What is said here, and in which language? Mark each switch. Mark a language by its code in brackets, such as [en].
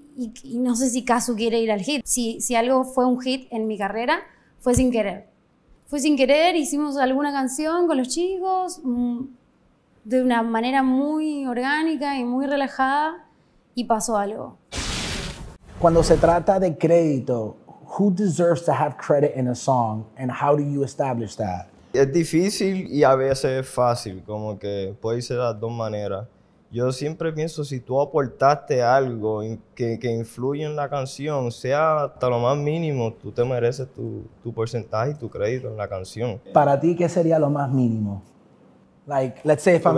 [es] y no sé si Cazzu quiere ir al hit. Si algo fue un hit en mi carrera, fue sin querer. Fue sin querer, hicimos alguna canción con los chicos, de una manera muy orgánica y muy relajada, y pasó algo. Cuando se trata de crédito, [en] who deserves to have credit in a song, and how do you establish that? [es] Es difícil y a veces es fácil, como que puede ser de las dos maneras. Yo siempre pienso, si tú aportaste algo que influye en la canción, sea hasta lo más mínimo, tú te mereces tu porcentaje y tu crédito en la canción. ¿Para ti qué sería lo más mínimo? [en] Like, let's say if I'm